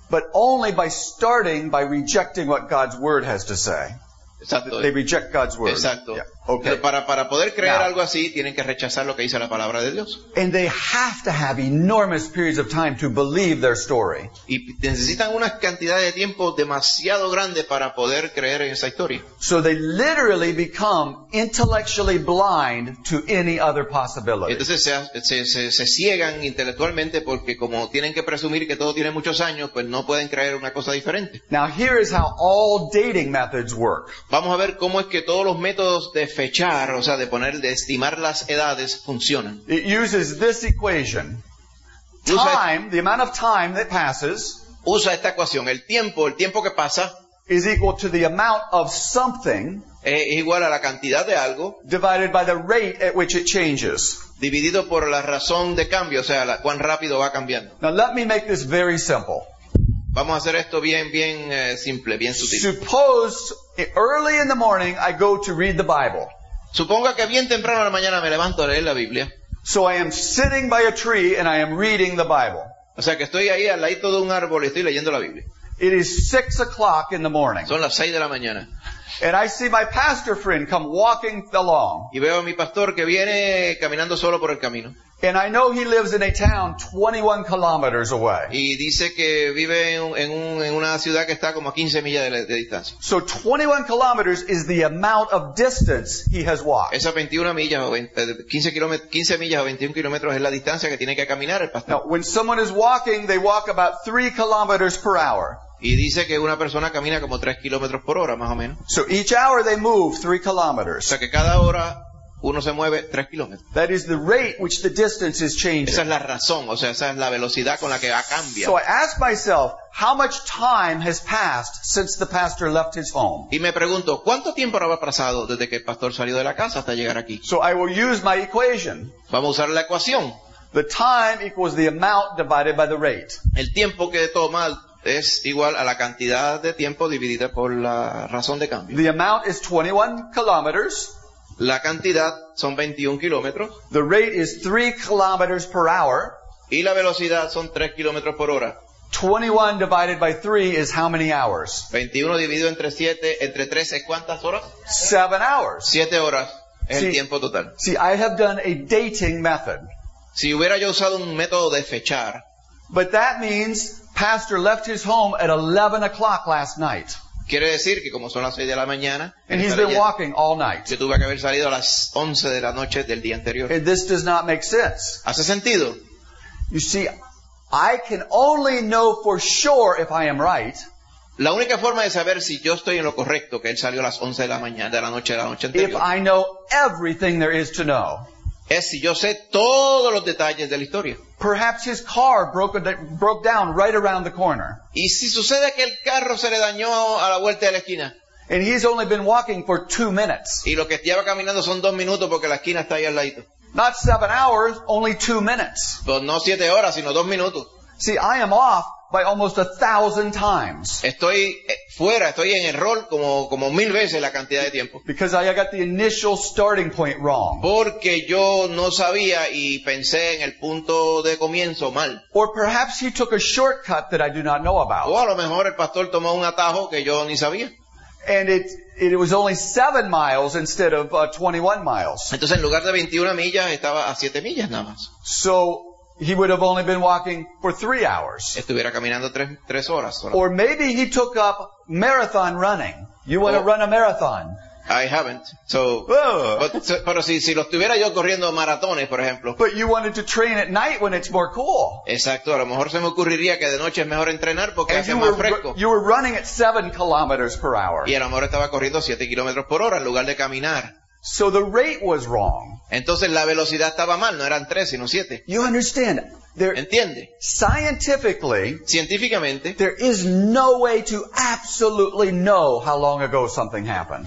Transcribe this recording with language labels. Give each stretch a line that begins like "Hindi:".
English: But only by starting by rejecting what God's word has to say.
Spanish: Exacto.
English: They reject God's word.
Spanish: Exacto.
English: Yeah. Okay.
Spanish: Pero para poder creer algo así, tienen que rechazar lo que dice la palabra de Dios.
English: And they have to have enormous periods of time to believe their story.
Spanish: Y necesitan una cantidad de tiempo demasiado grande para poder creer en esa historia.
English: So they literally become intellectually blind to any other possibility.
Spanish: Entonces se ciegan intelectualmente porque como tienen que presumir que todo tiene muchos años, pues no pueden creer una cosa diferente.
English: Now here is how all dating methods work.
Spanish: Vamos a ver cómo es que todos los métodos de fechar, o sea, de poner, de estimar las edades, funcionan.
English: It uses this equation. Time, the amount of time that passes.
Spanish: Usa esta ecuación. El tiempo que pasa.
English: Is equal to the amount of something.
Spanish: Es igual a la cantidad de algo.
English: Divided by the rate at which it changes.
Spanish: Dividido por la razón de cambio, o sea, cuán rápido va cambiando.
English: Now let me make this very simple.
Spanish: Vamos a hacer esto bien simple, bien sutil.
English: Suppose early in the morning I go to read the Bible.
Spanish: Suponga que bien temprano en la mañana me levanto a leer la Biblia.
English: So I am sitting by a tree and I am reading the Bible.
Spanish: O sea que estoy ahí al ladito de un árbol y estoy leyendo la Biblia.
English: It is 6 o'clock in the morning.
Spanish: Son las 6 de la mañana.
English: And I see my pastor friend come walking along.
Spanish: Y veo a mi pastor que viene caminando solo por el camino.
English: And I know he lives in a town 21 kilometers away.
Spanish: Y dice que vive en una ciudad que está como a 15 millas de distancia.
English: So 21 kilometers is the amount of distance he has walked.
Spanish: Esa 21 millas o 15 millas o 21 kilómetros es la distancia que tiene que caminar el pastor.
English: Now, when someone is walking, they walk about 3 kilometers per hour.
Spanish: Y dice que una persona camina como 3 kilómetros por hora, más o menos.
English: So each hour they move 3 kilometers.
Spanish: O sea que cada hora uno se mueve 3 kilómetros.
English: That is the rate which the distance is changing.
Spanish: Esa es la razón, o sea, esa es la velocidad con la que va cambiando.
English: So I ask myself, how much time has passed since the pastor left his home?
Spanish: Y me pregunto, ¿cuánto tiempo habrá pasado desde que el pastor salió de la casa hasta llegar aquí?
English: So I will use my equation.
Spanish: Vamos a usar la ecuación.
English: The time equals the amount divided by the rate.
Spanish: El tiempo que toma es igual a la cantidad de tiempo dividida por la razón de cambio.
English: The amount is 21 kilometers.
Spanish: La cantidad son 21 kilómetros.
English: The rate is 3 kilometers per hour.
Spanish: Y la velocidad son 3 kilómetros por hora.
English: 21 divided by 3 is how many hours?
Spanish: 21 dividido entre 7, entre 3 es ¿cuántas horas?
English: 7 hours.
Spanish: 7 horas es el tiempo total.
English: See, I have done a dating method.
Spanish: Si hubiera yo usado un método de fechar.
English: But that means pastor left his home at 11 o'clock last night.
Spanish: Quiere decir que como son las 6 de la mañana,
English: and he's been walking all night.
Spanish: Yo tuve que haber salido a las 11 de la noche del día anterior.
English: And this does not make sense.
Spanish: ¿Hace sentido?
English: You see, I can only know for sure if I am right.
Spanish: La única forma de saber si yo estoy en lo correcto que él salió a las 11 de la mañana de la noche anterior.
English: If I know everything there is to know.
Spanish: Es si yo sé todos los detalles de la historia.
English: Perhaps his car broke down right around the corner.
Spanish: Y si sucede que el carro se le dañó a la vuelta de la esquina.
English: And he's only been walking for 2 minutes.
Spanish: Y lo que lleva caminando son 2 minutos porque la esquina está ahí al ladito.
English: Not 7 hours, only 2 minutes.
Spanish: Pues no 7 horas, sino 2 minutos.
English: See, I am off by almost 1,000 times.
Spanish: Estoy fuera, estoy en error como 1,000 veces la cantidad de tiempo.
English: Because I got the initial starting point wrong.
Spanish: Porque yo no sabía y pensé en el punto de comienzo mal.
English: Or perhaps he took a shortcut that I do not know about.
Spanish: O a lo mejor el pastor tomó un atajo que yo ni sabía.
English: And it was only 7 miles instead of 21 miles.
Spanish: Entonces en lugar de 21 millas estaba a 7 millas nada más.
English: So he would have only been walking for 3 hours.
Spanish: Estuviera caminando 3 horas.
English: Or maybe he took up marathon running. You want to run a marathon? I haven't.
Spanish: So, pero si lo estuviera yo corriendo maratones, por ejemplo.
English: But you wanted to train at night when it's more cool.
Spanish: Exacto. A lo mejor se me ocurriría que de noche es mejor entrenar porque hace más fresco.
English: You were running at 7 kilometers per hour.
Spanish: Y a lo mejor estaba corriendo 7 kilómetros por hora en lugar de caminar.
English: So the rate was wrong.
Spanish: Entonces la velocidad estaba mal. No eran 3, sino 7.
English: You understand?
Spanish: Entiende.
English: Scientifically,
Spanish: científicamente,
English: there is no way to absolutely know how long ago something happened.